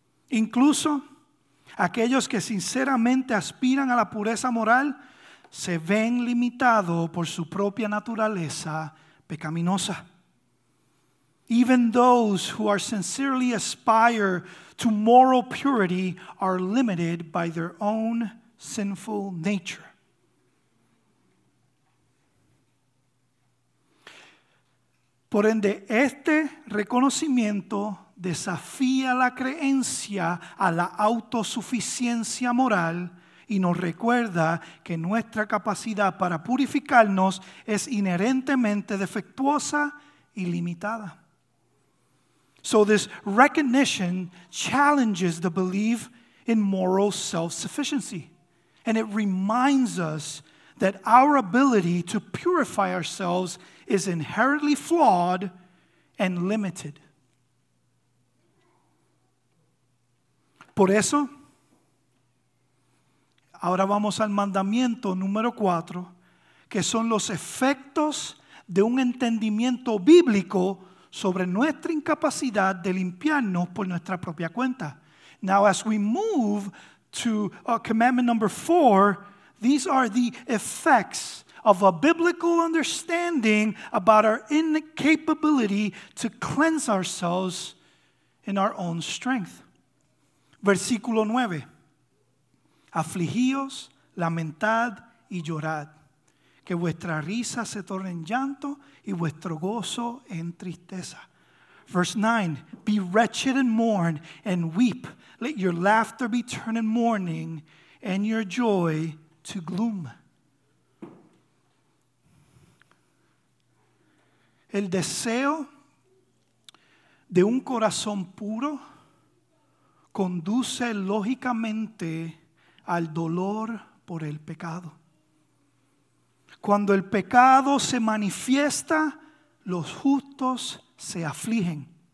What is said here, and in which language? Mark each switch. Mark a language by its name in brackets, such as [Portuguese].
[Spanish] Incluso aquellos que sinceramente aspiran a la pureza moral se ven limitados por su propia naturaleza pecaminosa. [English] Even those who are sincerely aspire to moral purity are limited by their own sinful nature. [Spanish] Por ende, este reconocimiento desafía la creencia a la autosuficiencia moral y nos recuerda que nuestra capacidad para purificarnos es inherentemente defectuosa y limitada. [English] So this recognition challenges the belief in moral self-sufficiency, and it reminds us that our ability to purify ourselves is inherently flawed and limited. [Spanish] Por eso, ahora vamos al mandamiento número 4, que son los efectos de un entendimiento bíblico sobre nuestra incapacidad de limpiarnos por nuestra propia cuenta. [English] Now, as we move to commandment number 4, these are the effects of a biblical understanding about our incapability to cleanse ourselves in our own strength. [Spanish] Versículo 9. Afligíos, lamentad y llorad, que vuestra risa se torne en llanto y vuestro gozo en tristeza. [English] Verse 9. Be wretched and mourn and weep. Let your laughter be turned in mourning and your joy to gloom. [Spanish] El deseo de un corazón puro conduce lógicamente al dolor por el pecado. Cuando el pecado se manifiesta, los justos se afligen.